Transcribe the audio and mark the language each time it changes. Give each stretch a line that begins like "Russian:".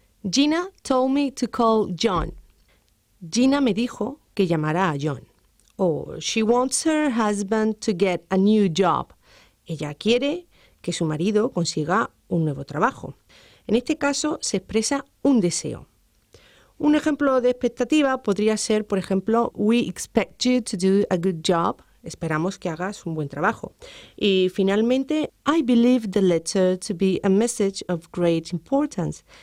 English: Gina told me to call John.
Spanish: Gina me dijo que llamará a John.
English: O she wants her husband to get a new job.
Spanish: Ella quiere que su marido consiga un nuevo trabajo. En este caso se expresa un deseo. Un ejemplo de expectativa podría ser, por ejemplo, we expect you to do a good job.
English: Esperamos que hagas un buen trabajo. Y finalmente, I believe the letter to be a message of great importance.